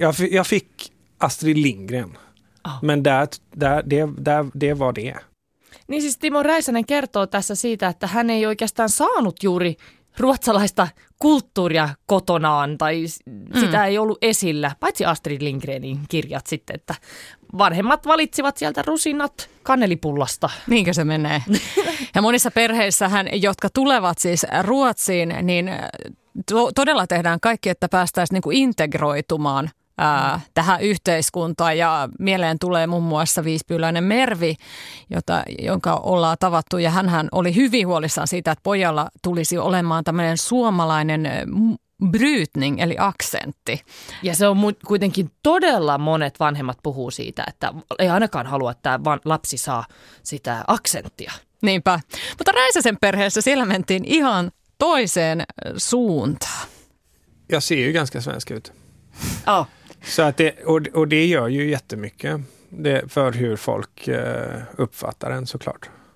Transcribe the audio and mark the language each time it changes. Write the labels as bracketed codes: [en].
[sv] Jag fick Astrid Lindgren. Oh. Men det var det. [fi] Niin siis Timo Räisänen kertoo tässä siitä, että hän ei oikeastaan saanut juuri ruotsalaista kulttuuria kotonaan, tai sitä ei ollut esillä, paitsi Astrid Lindgrenin kirjat sitten, että vanhemmat valitsivat sieltä rusinat kanelipullasta. Niinkö se menee? Ja monissa perheissähän, jotka tulevat siis Ruotsiin, niin todella tehdään kaikki, että päästäisiin niin kuin integroitumaan tähän yhteiskuntaan. Ja mieleen tulee muun muassa viispyyläinen Mervi, jonka ollaan tavattu. Ja hänhän oli hyvin huolissaan siitä, että pojalla tulisi olemaan tämmöinen suomalainen brytning, eli aksentti. Ja se on kuitenkin todella monet vanhemmat puhuu siitä, että ei ainakaan halua, että lapsi saa sitä aksenttia. Niinpä. Mutta Räisäsen perheessä siellä mentiin ihan toiseen suuntaan. Ja siinä on [sv] ganska svensk ut. Oh. Så att det, och det gör ju jättemycket det, för hur folk uppfattar den såklart.